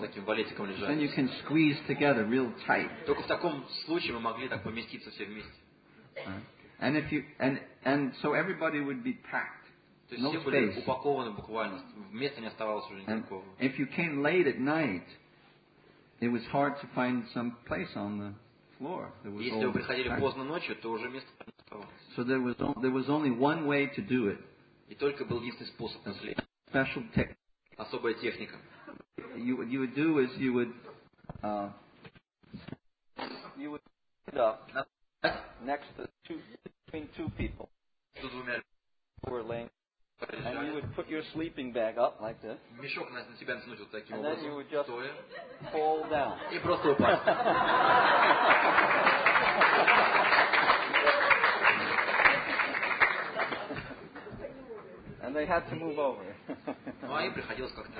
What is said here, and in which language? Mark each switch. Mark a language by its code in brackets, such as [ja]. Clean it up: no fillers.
[ru] Таким валетиком лежать. [en] Then you can squeeze together real tight. [ru] Только в таком случае мы могли так поместиться все вместе. [en] And if you and so everybody would be packed. [ru] То есть все были упакованы буквально, места не оставалось уже никакого. [en] If you came late at night, it was hard to find some place on the floor. [ru] Если вы приходили поздно ночью, то уже места не оставалось. [en] So there was only one way to do it. [ru] И только был единственный способ наследить. [en] Special technique. [ru] Особая техника. [en] You would do is you would stand up next to between two people who were laying, and you would put your sleeping bag up like this. [ru] Мешок на себя натянуть вот таким [en] and [ru] образом. [en] Then you would just fall down. [ru] И просто упасть. [en] And they had to move over. [ru] Ну, а им приходилось как-то